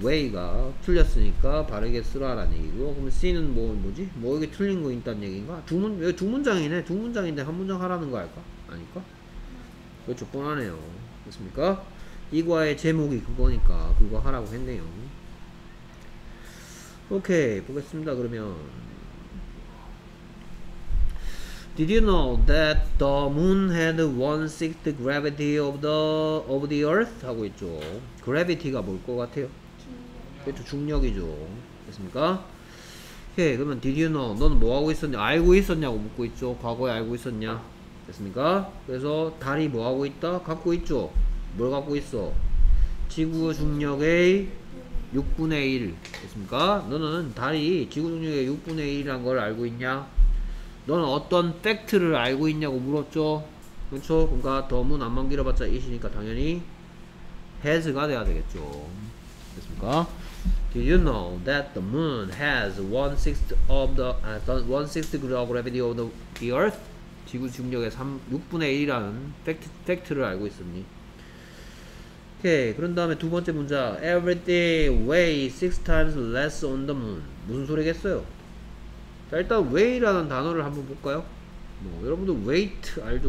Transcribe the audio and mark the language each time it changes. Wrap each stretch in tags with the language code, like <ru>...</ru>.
<ko>way가 틀렸으니까 바르게 쓰라라는 얘기고, 그럼 C는 뭐지? 뭐 여기 틀린 거 있다는 얘기인가? 두 문장이네. 두 문장인데 한 문장 하라는 거 알까? 아닐까? 그렇죠. 뻔하네요. 그렇습니까? 이 과의 제목이 그거니까 그거 하라고 했네요. 오케이, 보겠습니다. 그러면</ko> <en>Did you know that the moon had 1/6 gravity of the earth?</en> <ko>하고 있죠. Gravity가 뭘 것 같아요? 그렇죠, 중력이죠. 됐습니까? 오케이, 그러면</ko> <en>Did you know?</en> <ko>너는 뭐 하고 있었냐? 알고 있었냐고 묻고 있죠. 과거에 알고 있었냐? 됐습니까? 그래서 달이 뭐 하고 있다? 갖고 있죠. 뭘 갖고 있어? 지구 중력의 6분의 1. 됐습니까? 너는 달이 지구 중력의 6분의 1이란 걸 알고 있냐? 너는 어떤 팩트를 알고 있냐고 물었죠? 그렇죠? 그러니까 더 문 안만 길어봤자 이시니까 당연히 has가 돼야 되겠죠. 됐습니까?</ko> <en>Did you know that the moon has 1/6 of gravity of the earth?</en> <ko>지구 중력의 6분의 1이라는 팩트를 알고 있었니? 오케이, 그런 다음에 두 번째 문장,</ko> <en>every day weigh 6 times less on the moon.</en> <ko>무슨 소리겠어요? 자, 일단 weigh라는 단어를 한번 볼까요? 뭐 여러분도 weight 알죠?</ko>